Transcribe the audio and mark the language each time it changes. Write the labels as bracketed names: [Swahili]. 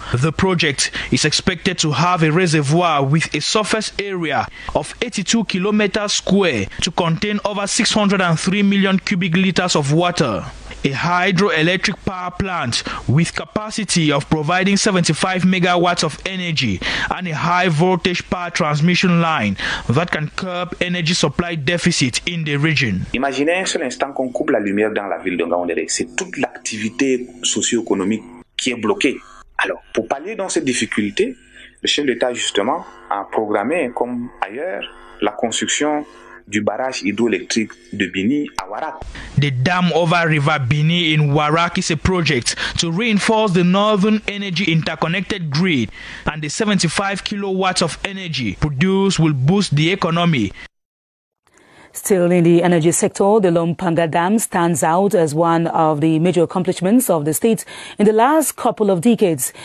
[English] The project is expected to have a reservoir with a surface area of 82 kilometers square to contain over 603 million cubic liters of water. A hydroelectric power plant with capacity of providing 75 megawatts of energy and a high voltage power transmission line that can curb energy supply deficit in the region. [French] Imaginez un seul instant qu'on coupe la lumière dans la ville de Ngaoundéré. C'est toute l'activité socio-économique qui est bloquée. Alors, pour pallier dans cette difficulté, le chef d'État justement a programmé, comme ailleurs, la construction du barrage hydroélectrique de Bini à Warak. [English] The dam over River Bini in Warak is a project to reinforce the northern energy interconnected grid, and the 75 kilowatts of energy produced will boost the economy. Still in the energy sector, the Lompanga Dam stands out as one of the major accomplishments of the state in the last couple of decades.